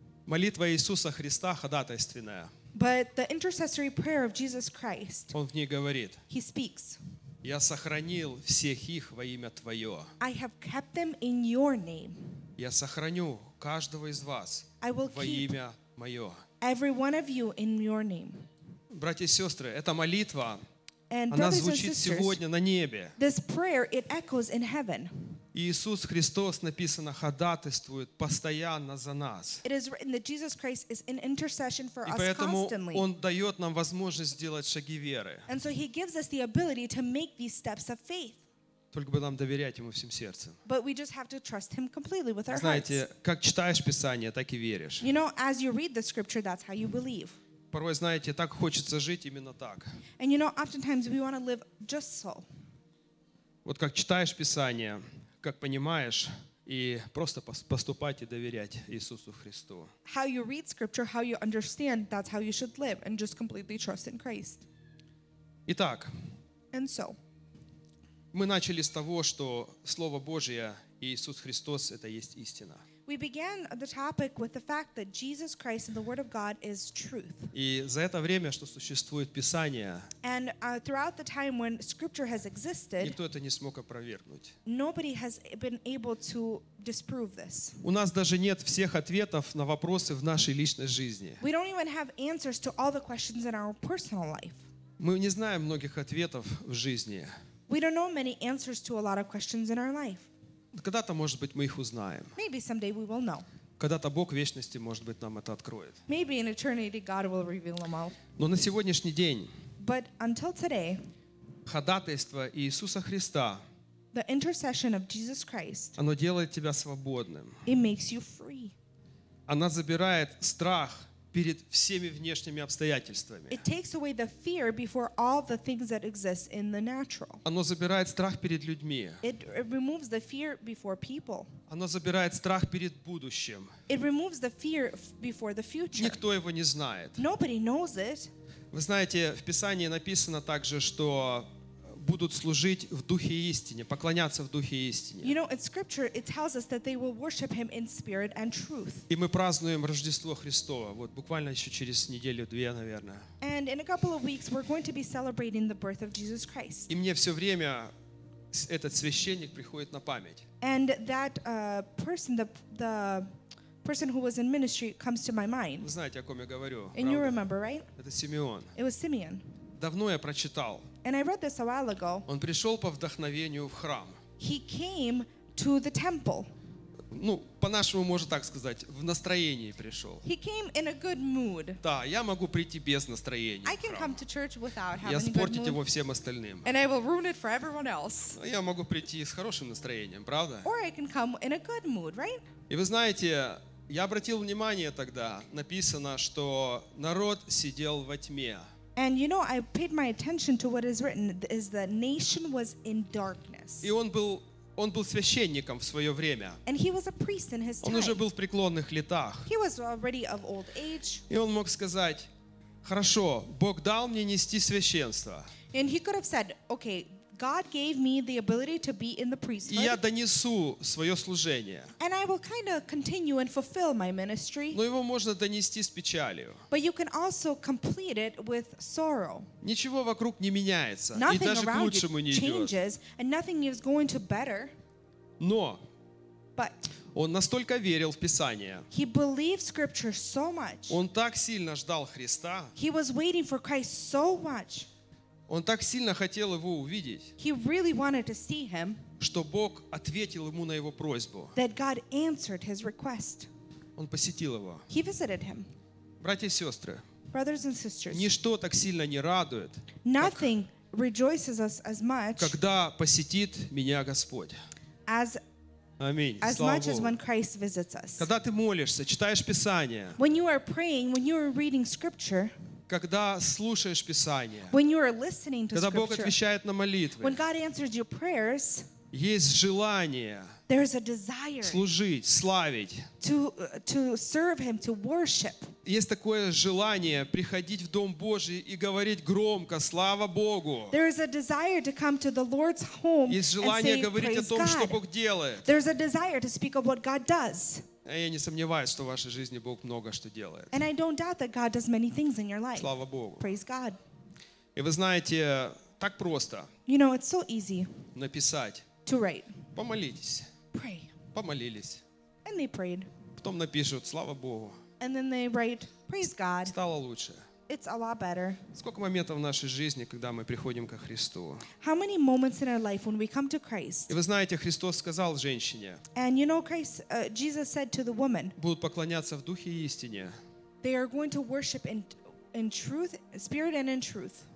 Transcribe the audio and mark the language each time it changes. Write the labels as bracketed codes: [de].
[ru] Молитва Иисуса Христа ходатайственная. [en] But the intercessory prayer of Jesus Christ. [ru] Он в ней говорит. [en] He speaks. [ru] Я сохранил всех их во имя Твое. [en] I have kept them in Your name. [ru] Я сохраню каждого из вас во имя Мое. [en] Every one of you in Your name. [ru] Братья и сестры, эта молитва, [en] and [ru] она звучит сегодня на небе. [en] This prayer, it echoes in heaven. [ru] Иисус Христос, написано, ходатайствует постоянно за нас. [en] It is written that Jesus Christ is in intercession for us constantly. [ru] Он дает нам возможность сделать шаги веры. [en] And so he gives us the ability to make these steps of faith. [ru] Только бы нам доверять Ему всем сердцем. [en] But we just have to trust Him completely with our hearts. [ru] Знаете, как читаешь Писание, так и веришь. [en] You know, as you read the scripture, that's how you believe. [ru] Порой, знаете, так хочется жить именно так. [en] And you know, oftentimes we want to live just so. [ru] Вот как читаешь Писание, как понимаешь, и просто поступать и доверять Иисусу Христу. [en] How you read scripture, how you understand, that's how you should live, and just completely trust in Christ. [ru] Итак. [en] And so. [ru] Мы начали с того, что Слово Божие и Иисус Христос — это есть истина. [en] We began the topic with the fact that Jesus Christ and the Word of God is truth. [ru] И за это время, что существует Писание, [en] and throughout the time when Scripture has existed, [ru] никто это не смог опровергнуть. [en] Nobody has been able to disprove this. [ru] У нас даже нет всех ответов на вопросы в нашей личной жизни. [en] We don't even have answers to all the questions in our personal life. [ru] Мы не знаем многих ответов в жизни. [en] We don't know many answers to a lot of questions in our life. [ru] Когда-то, может быть, мы их узнаем. [en] Maybe someday we will know. [ru] Когда-то Бог в вечности, может быть, нам это откроет. [en] Maybe in eternity God will reveal them all. [ru] Но на сегодняшний день, [en] but until today, [ru] ходатайство Иисуса Христа, [en] the intercession of Jesus Christ, [ru] оно делает тебя свободным. [en] It makes you free. [ru] Она забирает страх перед всеми внешними обстоятельствами. [en] It takes away the fear before all the things that exist in the natural. [ru] Оно забирает страх перед людьми. [en] It removes the fear before people. [ru] Оно забирает страх перед будущим. [en] It removes the fear before the future. [ru] Никто его не знает. [en] Nobody knows it. [ru] Вы знаете, в Писании написано также, что будут служить в духе истине, поклоняться в духе истине. [en] You know, in scripture it tells us that they will worship him in spirit and truth. [ru] И мы празднуем Рождество Христово, вот буквально еще через неделю-две, наверное. [en] And in a couple of weeks we're going to be celebrating the birth of Jesus Christ. [ru] И мне все время этот священник приходит на память. [en] And that person, the person who was in ministry comes to my mind. [ru] Вы знаете, о ком я говорю? [en] And [ru] правда? [en] You remember, right? [ru] Это Симеон. [en] It was Simeon. [ru] Давно я прочитал. [en] And I read this a while ago. [ru] Он пришел по вдохновению в храм. [en] He came to the temple. [ru] Ну, по-нашему, можно так сказать, в настроении пришел. [en] He came in a good mood. [ru] Да, я могу прийти без настроения. [en] I can come to church without having a good mood. [ru] Я испортить его всем остальным. [en] And I will ruin it for everyone else. [ru] Я могу прийти с хорошим настроением, правда? [en] Or I can come in a good mood, right? [ru] И вы знаете, я обратил внимание тогда, написано, что народ сидел во тьме. [en] And you know, I paid my attention to what is written, is the nation was in darkness. [ru] И он был священником в свое время. [en] And he was a priest in his time. [ru] Он уже был в преклонных летах. [en] He was already of old age. [ru] И он мог сказать, хорошо, Бог дал мне нести священство. [en] And he could have said, okay, God gave me the ability to be in the priesthood. [ru] И я донесу свое служение. [en] And I will kind of continue and fulfill my ministry. [ru] Но его можно донести с печалью. [en] But you can also complete it with sorrow. [ru] Ничего вокруг не меняется. [en] Nothing [ru] и даже [en] around [ru] к лучшему [en] you changes, [ru] не идет. [en] And nothing is going to better. [ru] Но [en] but [ru] Он настолько верил в Писание. [en] He believed Scripture so much. [ru] Он так сильно ждал Христа. [en] He was waiting for Christ so much. [ru] Он так сильно хотел его увидеть. [en] He really wanted to see him. [ru] Что Бог ответил ему на его просьбу. [en] That God answered his request. [ru] Он посетил его. [en] He visited him. [ru] Братья и сестры. [en] Brothers and sisters. [ru] Ничто так сильно не радует. [en] Nothing rejoices us as much. [ru] Когда посетит меня Господь. [en] As [ru] Аминь. [en] As much as when Christ visits us. [ru] Когда ты молишься, читаешь Писание. [en] When you are praying, when you are reading Scripture. [ru] Когда слушаешь Писание. [en] When you are listening to [ru] когда [en] Scripture. [ru] Когда Бог отвечает на молитвы. [en] When God answers your prayers. [ru] Есть желание. [en] There is a desire. [ru] Служить, славить. [en] To serve Him, to worship. [ru] Есть такое желание приходить в Дом Божий и говорить громко, слава Богу. [en] There is a desire to come to the Lord's home. [ru] Есть желание говорить о том, [en] God. [ru] Что Бог делает. [en] There is a desire to speak of what God does. [ru] Я не сомневаюсь, что в вашей жизни Бог много что делает. [en] And I don't doubt that God does many things in your life. [ru] Слава Богу. [en] Praise God. [ru] И вы знаете, так просто. [en] You know, it's so easy. [ru] Написать. [en] To write. [ru] Помолитесь. [en] Pray. [ru] Помолились. [en] And they prayed. [ru] Потом напишут, слава Богу. [en] And then they write, praise God. [ru] Стало лучше. [en] It's a lot better. [ru] Сколько моментов в нашей жизни, когда мы приходим ко Христу? [en] How many moments in our life when we come to Christ? [ru] И вы знаете, Христос сказал женщине. [en] And you know, Christ, Jesus said to the woman. [ru] Будут поклоняться в духе и истине. [en] They are going to worship in truth, spirit and in truth.